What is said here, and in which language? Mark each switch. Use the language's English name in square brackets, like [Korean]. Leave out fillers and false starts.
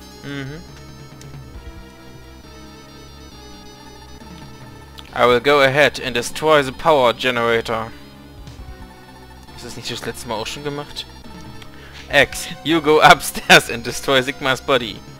[English] I will go ahead and destroy the power generator. [German] Ist das nicht das letzte Mal auch schon gemacht? [English] X, you go upstairs and destroy Sigma's body.